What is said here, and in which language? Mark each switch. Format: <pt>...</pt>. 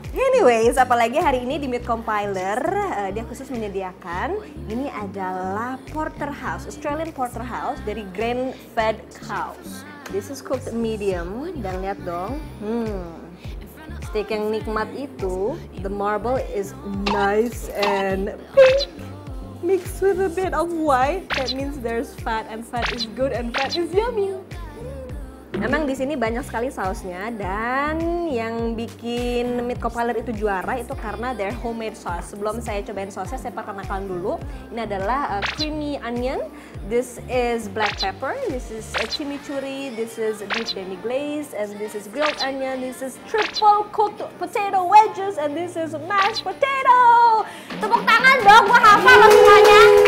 <id>Anyways, apalagi hari ini di Meat Compiler, dia khusus menyediakan, ini adalah Porterhouse, Australian Porterhouse dari Grain Fed Cows.</id> <en>This is cooked medium,</en> <id>dan lihat dong, steak yang nikmat itu,</id> <en>the marble is nice and pink, mixed with a bit of white, that means there's fat, and fat is good, and fat is yummy.</en> <id>Emang di sini banyak sekali sausnya, dan yang bikin Meat Compiler itu juara itu karena</id> <en>their homemade sauce.</en> <id>Sebelum saya cobain sausnya, saya perkenalkan dulu. Ini adalah</id> <en>creamy onion, this is black pepper, this is chimichurri, this is beef demi-glaze, and this is grilled onion, this is triple cooked potato wedges, and this is mashed potato.</en> <id>Tepuk tangan dong, gua hafal semuanya.</id>